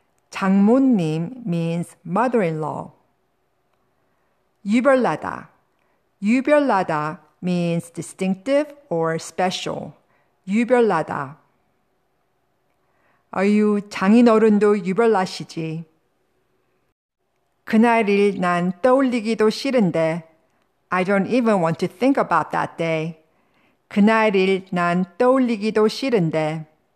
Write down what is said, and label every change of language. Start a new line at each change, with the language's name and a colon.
English: 장모님 means mother-in-law. 유별나다. 유별나다 means distinctive or special. 유별나다.
Korean: 아유, 장인어른도 유별나시지. 그날 일 난 떠올리기도 싫은데.
English: I don't even want to think about that day.
Korean: 그날 일 난 떠올리기도 싫은데.